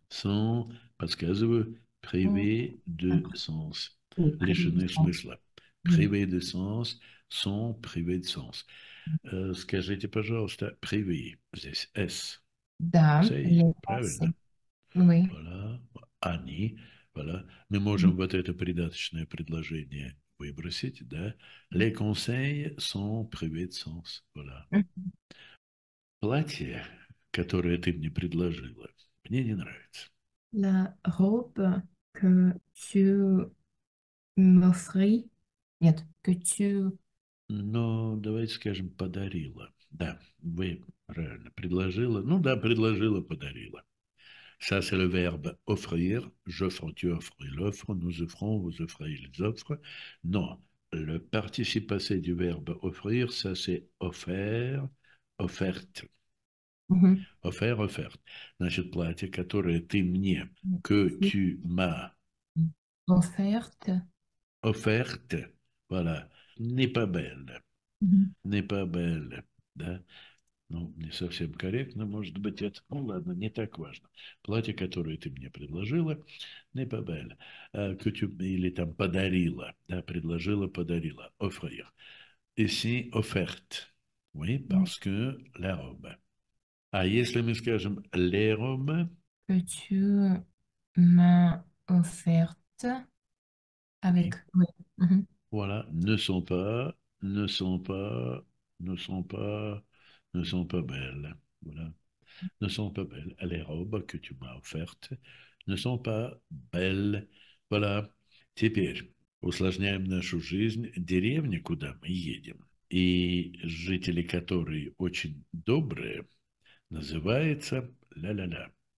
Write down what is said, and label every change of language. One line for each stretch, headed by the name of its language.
French: sont, parce qu'elles sont privées de sens.
Russian: Лишены смысла.
French: Privées de sens. Sont privés de sens.
Russian: Скажите, пожалуйста,
French: privé,
Russian: здесь
French: S.
Russian: Да, Цей, летаться правильно? мы.
French: Voilà.
Russian: Они,
French: voilà.
Russian: Мы можем вот это придаточное предложение выбросить, да?
French: Les conseils sont privés de sens. Voilà.
Russian: Платье, которое ты мне предложила, мне не нравится.
French: La robe que tu m'offris,
Russian: нет,
French: que tu
Russian: Но давайте скажем, подарила. Да, вы правильно, предложила. Ну да, предложила, подарила.
French: Ça, c'est le verbe offrir. J'offre, tu offres, il offre. Nous offrons, vous offrez, ils offrent. Non, le participe passé du verbe offrir, ça, c'est offert, offerte. Offert, offerte.
Russian: Значит, платье, которое ты мне,
French: que tu m'as L'offerte. offerte, voilà, n'est pas belle. N'est pas belle. Да?
Russian: Ну, не совсем корректно, может быть, это, ну ладно, не так важно. Платье, которое ты мне предложила, не побель, или там подарила, да, предложила, подарила, offrir.
French: Ici, offerte, oui, parce que la robe.
Russian: А если мы скажем
French: les robes, Que tu m'as offerte avec voilà, ne sont pas, ne sont pas, ne sont pas, ne sont pas belles, voilà. Ne sont pas belles. Les robes que tu m'as offertes ne sont pas belles, voilà.
Russian: Теперь усложняем нашу жизнь. Деревня, куда мы едем, и жители, которые очень добрые, называется ля-ля-ля.